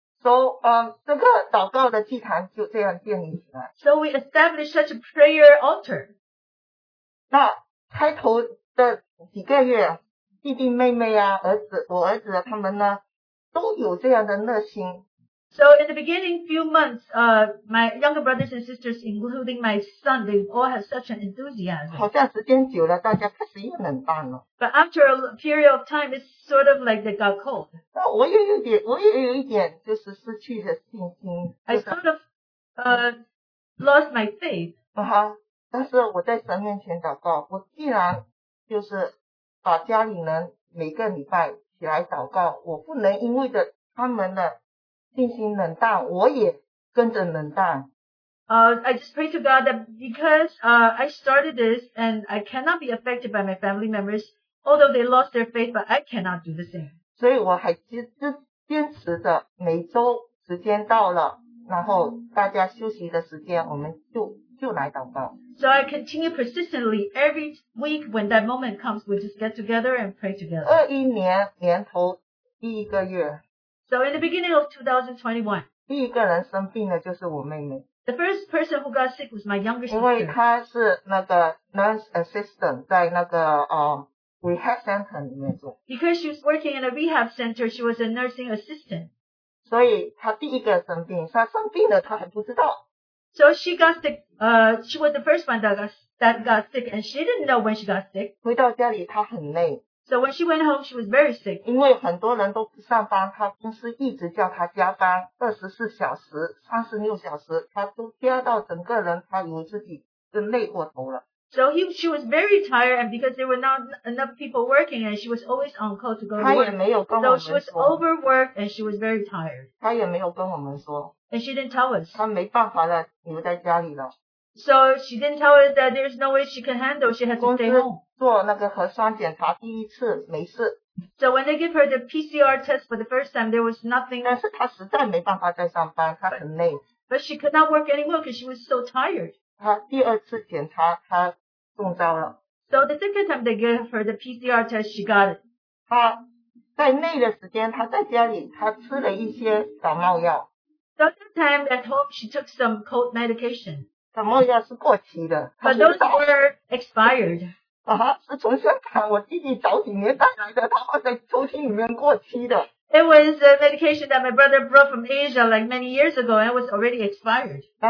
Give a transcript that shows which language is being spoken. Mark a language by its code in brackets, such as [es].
[zh] So, 这个祷告的祭坛就这样建立起来。 [en] So we established such a prayer altar. [zh] 那开头的几个月，弟弟妹妹啊，儿子，我儿子啊，他们呢，都有这样的热心。 [en] So in the beginning few months, my younger brothers and sisters, including my son, they all have such an enthusiasm. [zh] 好像时间久了，大家开始又冷淡了。 [en] But after a period of time, it's sort of like they got cold. [zh] 那我也有一点就是失去了信心。 [en] I sort of lost my faith. [zh] 但是我在神面前祷告，我既然就是把家里人每个礼拜起来祷告，我不能因为着他们的信心冷淡，我也跟着冷淡。 [en] I just pray to God that because I started this and I cannot be affected by my family members, although they lost their faith, but I cannot do the same. [zh] 所以我还坚持着每周时间到了，然后大家休息的时间，我们就来祷告。 [en] So I continue persistently every week when that moment comes, we just get together and pray together. [zh] 21年年头第一个月。 [en] So in the beginning of 2021, [zh] 第一个人生病的就是我妹妹。 [en] The first person who got sick was my younger sister. [zh] 因为她是那个 [en] nurse assistant [zh] 在那个 [en] rehab center [zh] 里面做。 [en] Because she was working in a rehab center, she was a nursing assistant. [zh] 所以她第一个生病，她生病了她还不知道。 [en] So she got sick, she was the first one that got sick, and she didn't know when she got sick. [zh] 回到家里她很累。 [en] So when she went home, she was very sick. [zh] 因为很多人都不上班, 她公司一直叫她加班, 24小时, 36小时, 她都加到整个人, 她以为自己就累过头了。 [en] So she was very tired, and because there were not enough people working, and she was always on call to go to work. So she was overworked, and she was very tired. And she didn't tell us. [zh] 她没办法了, [en] so she didn't tell us that there's no way she can handle, she had to stay home. [zh] 做那个核酸检查第一次没事。 [en] So when they give her the PCR test for the first time, there was nothing. [zh] 但是她实在没办法再上班,她很累。 [en] But she could not work anymore because she was so tired. [zh] 她第二次检查, 她中招了。 [en] So the second time they gave her the PCR test, she got it. [zh] 她在累的时间, 她在家里, 她吃了一些感冒药。 [en] So that time at home, she took some cold medication. [zh] 感冒药是过期的, [en] but those were expired. [zh] 是从香港我弟弟早几年带来的, [en] it was a medication that my brother brought from Asia like many years ago and was already expired.